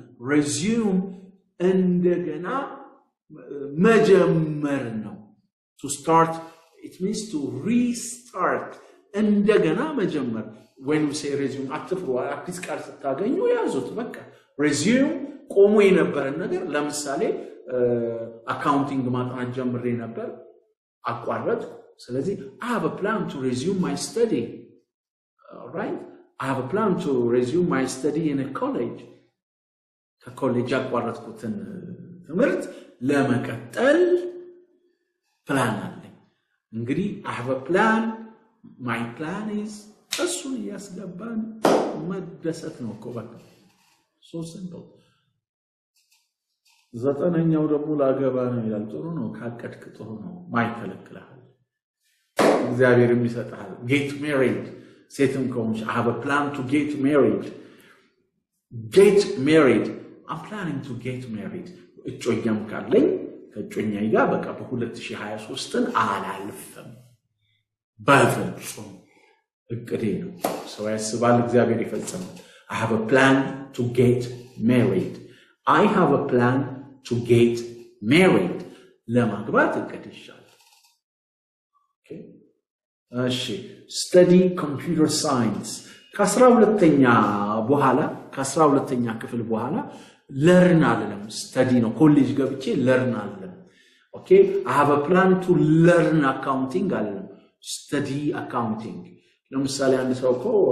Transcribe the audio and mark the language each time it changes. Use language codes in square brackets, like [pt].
[en] resume [am] እንደገና መጀመር ነው [en] to start it means to restart [am] እንደገና መጀመር [en] when we say resume [am] አትፍሩ አዲስ ቃል ስታገኙ ያዙት በቃ [en] resume [am] ቆሞ የነበረን ነገር ለምሳሌ [en] accounting [am] ማጥናት ጀምሬ ነበር አቋረጥ [en] So let's see, I have a plan to resume my study, all right? I have a plan to resume my study in a college. A college, I have a plan to resume my study in a college. I have a plan, my plan is [am] እሱን ያስገባን መደሰት ነው እኮ በቃ [en] so simple [am] ዘጠነኛው ደግሞ ላገባ ነው ይላል ጥሩ ነው ካቀድክ ጥሩ ነው ማይከለክልሃል እግዚአብሔርም ይሰጣል [en] get married Satan comes, I have a plan to get married. Get married. I'm planning to get married. [am] እጮኛም ካለኝ ከእጮኛዬ ጋር በቃ በ2023ን አላልፍም። በፍጹም እቅዴ ነው። ሰው ያስባል እግዚአብሔር ይፈጽማል። [en] I have a plan to get married. I have a plan to get married. [am] ለማግባት እቅድ ይሻል። Okay. እሺ [en] study computer science [am] ከ12ኛ በኋላ ከ12ኛ ክፍል በኋላ learn አለም study ነው ኮሌጅ ገብቼ learn አለም [en] okay i have a plan to learn accounting [am] አለም [en] study accounting [am] ለምሳሌ አንድ ሰው እኮ